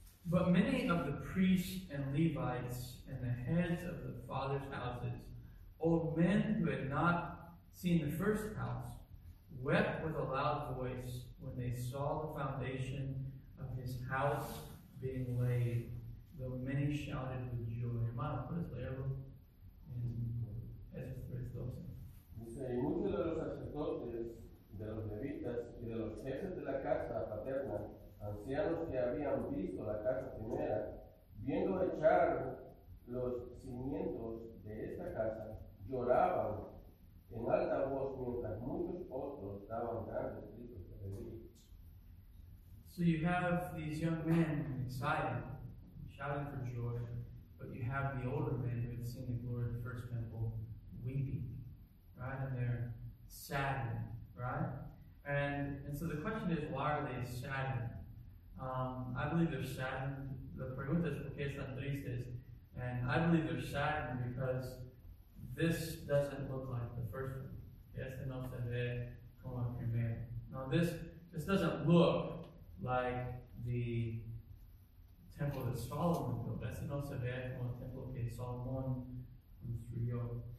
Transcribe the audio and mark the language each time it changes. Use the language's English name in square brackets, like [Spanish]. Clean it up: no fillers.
[English] But many of the priests and Levites and the heads of the fathers' houses, old men who had not seen the first house, wept with a loud voice when they saw the foundation of his house being laid, though many shouted with joy. [Spanish] Hermano, ¿puedes leerlo? En Ezra 3:12. Dice, y muchos de los sacerdotes, de los levitas y de los jefes de la casa paterna, ancianos que habían visto la casa primera, viendo echar los cimientos de esta casa, lloraban en alta voz mientras muchos otros daban grandes gritos de alegría. [English] So you have these young men excited, shouting for joy, but you have the older men who had seen the glory of the first temple weeping, right? And they're saddened, right? And so the question is, why are they saddened? I believe they're saddened. [Spanish] The pregunta es por qué están tristes. [English] And I believe they're saddened because this doesn't look like the first one. [Spanish] Este no se ve como el primero. [English] Now this doesn't look like the temple that Solomon built. [Spanish] Este no se ve como el templo que Solomon construyó.